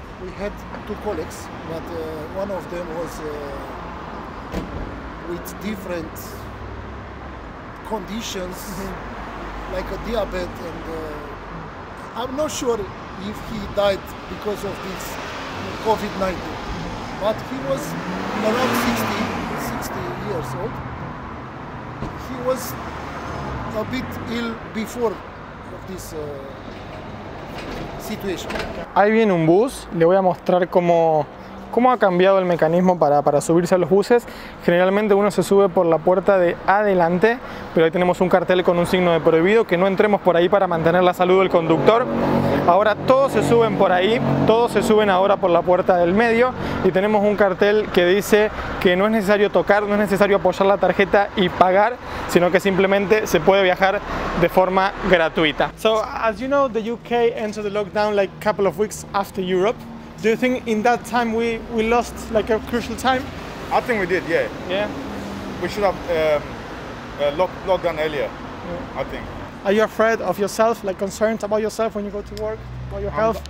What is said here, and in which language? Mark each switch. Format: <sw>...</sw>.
<en>We had 2 colleagues, but one of them was with different conditions, like a diabetes, and I'm not sure if he died because of this COVID-19. But he was around 60 years old. He was a bit ill before of this situation.</en> <es>Ahí viene un bus, le voy a mostrar cómo ha cambiado el mecanismo para subirse a los buses. Generalmente uno se sube por la puerta de adelante, pero ahí tenemos un cartel con un signo de prohibido, que no entremos por ahí para mantener la salud del conductor. Ahora todos se suben por ahí, todos se suben ahora por la puerta del medio, y tenemos un cartel que dice que no es necesario tocar, no es necesario apoyar la tarjeta y pagar, sino que simplemente se puede viajar de forma gratuita.</es> <en>So, as you know, the UK entered the lockdown like a couple of weeks after Europe. Do you think in that time we lost like a crucial time? I think we did, yeah. Yeah. We should have locked down earlier, yeah. I think. Are you afraid of yourself, like concerned about yourself when you go to work, about your health?</en>